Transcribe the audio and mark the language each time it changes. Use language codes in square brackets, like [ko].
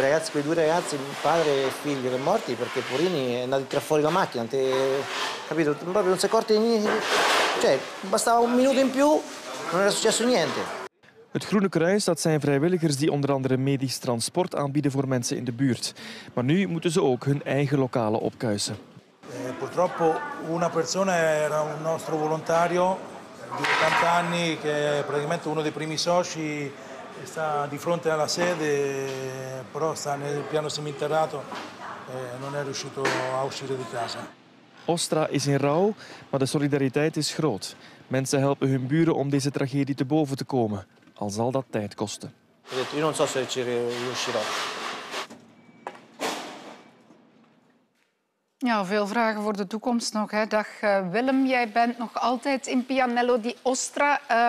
[it] Quei due ragazzi, padre e figlio, sono morti perché Purini è andato tra fuori la macchina. Capito? Proprio non si è accorto di niente. Cioè, bastava un minuto in più, non era successo niente. [nl] Het Groene Kruis, dat zijn vrijwilligers die onder andere medisch transport aanbieden voor mensen in de buurt. Maar nu moeten ze ook hun eigen lokalen opkuisen. [it] Purtroppo una persona era un nostro volontario di 80 anni che è praticamente uno dei primi soci sta di fronte alla sede però sta nel piano seminterrato e non è riuscito a uscire di casa. [nl] Ostra is in rouw, maar de solidariteit is groot. Mensen helpen hun buren om deze tragedie te boven te komen, al zal dat tijd kosten. [it] Io non so se ci riuscirò. [nl] Ja, veel vragen voor de toekomst nog. Hè. Dag Willem, jij bent nog altijd in Pianello di Ostra.